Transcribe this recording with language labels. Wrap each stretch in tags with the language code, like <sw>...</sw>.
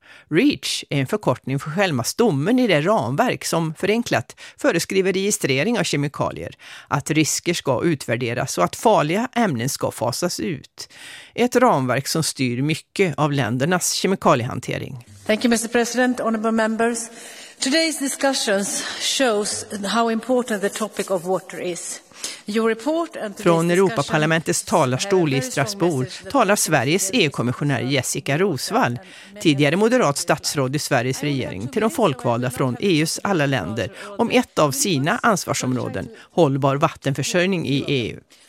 <sv>REACH är en förkortning för själva stommen i det ramverk som förenklat föreskriver registrering av kemikalier, att risker ska utvärderas och att farliga ämnen ska fasas ut. Ett ramverk som styr mycket av ländernas kemikaliehantering.</sv> <en>Thank you, Mr. President, honorable members. Today's discussions shows how important the topic of water is.</en> <sv>Från Europaparlamentets talarstol i Strasbourg talar Sveriges EU-kommissionär Jessica Roswall, tidigare moderat statsråd i Sveriges regering, till de folkvalda från EUs alla länder om ett av sina ansvarsområden, hållbar vattenförsörjning i EU.</sv>